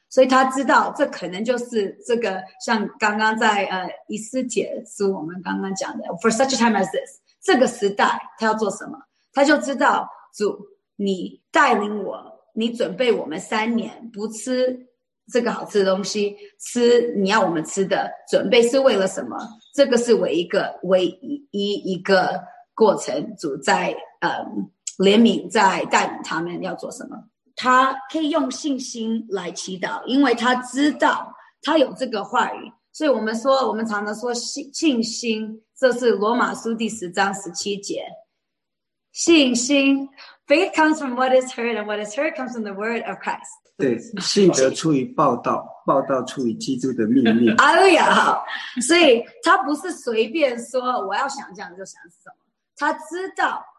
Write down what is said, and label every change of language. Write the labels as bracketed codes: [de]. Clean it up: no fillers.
[zh] 所以他知道这可能就是这个像刚刚在以斯帖书我们刚刚讲的 [en] for such a time as this [zh] 这个时代他要做什么，他就知道主你带领我，你准备我们三年不吃这个好吃的东西，吃你要我们吃的，准备是为了什么，这个是唯一一个过程，主在怜悯在带领他们要做什么。他可以用信心来祈祷，因为他知道他有这个话语。所以我们说，我们常常说信心，这是罗马书第十章十七节。信心 [en] faith comes from what is heard, and what is heard comes from the word of Christ. [zh] 对，信则出于报道，报道出于基督的命令。哎呦呀，好，所以他不是随便说我要想这样就想什么，他知道。